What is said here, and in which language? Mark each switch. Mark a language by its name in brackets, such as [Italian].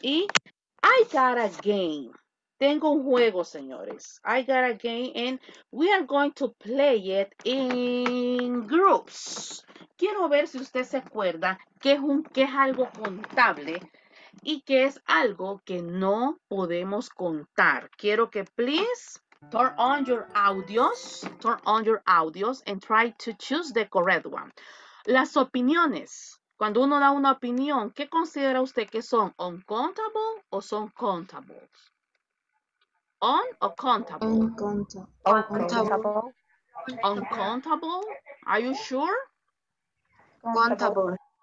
[Spanish] Y [English] I got a game. [Spanish] Tengo un juego, señores. [English] I got a game and we are going to play it in groups. [Spanish] Quiero ver si usted se acuerda que es algo contable y que es algo que no podemos contar. Quiero que [English] please turn on your audios and try to choose the correct one. [Spanish] Las opiniones. Cuando uno da una opinión, ¿qué considera usted que son? ¿Uncountable o son countables? ¿On o countable? [English] Uncountable. Uncountable. ¿Are you sure? Countable.